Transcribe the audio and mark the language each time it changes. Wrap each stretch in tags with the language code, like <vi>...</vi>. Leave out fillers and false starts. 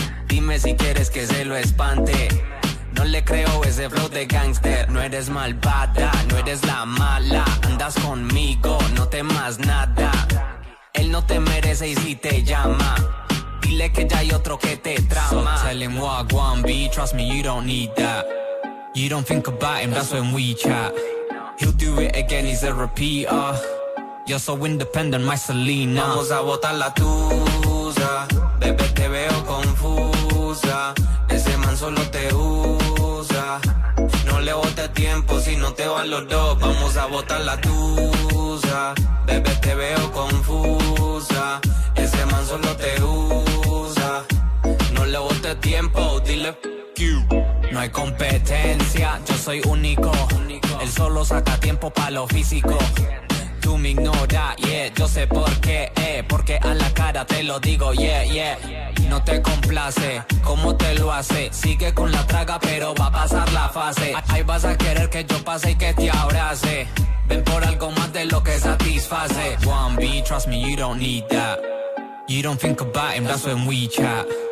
<es>Dime si quieres que se lo espante. No le creo ese flow de gangster. No eres malvada, no eres la mala. Andas conmigo, no temas nada. Él no te merece y si te llama, dile que ya hay otro que te trama.</es> <en>So tell him what one be, trust me, you don't need that. You don't think about him, that's when we chat. He'll do it again, he's a repeater. You're so independent, my Selena.</en> <es>Vamos a botar la tusa. Bebé, te veo confusa. Ese man solo te usa. No le bote tiempo, si no te valoro. Vamos a botar la tusa. Bebé, te veo confusa. Ese man solo te usa. No le bote tiempo, dile Q. No hay competencia, yo soy único. Él solo saca tiempo pa' lo físico. Tú me ignoras, yeah, yo sé por qué, porque a la cara te lo digo, yeah, yeah. No te complace, ¿cómo te lo hace? Sigue con la traga, pero va a pasar la fase. Ahí vas a querer que yo pase y que te abrace. Ven por algo más de lo que satisface.</es> <en>One B, trust me, you don't need that. You don't think about him, that's when we chat.</en>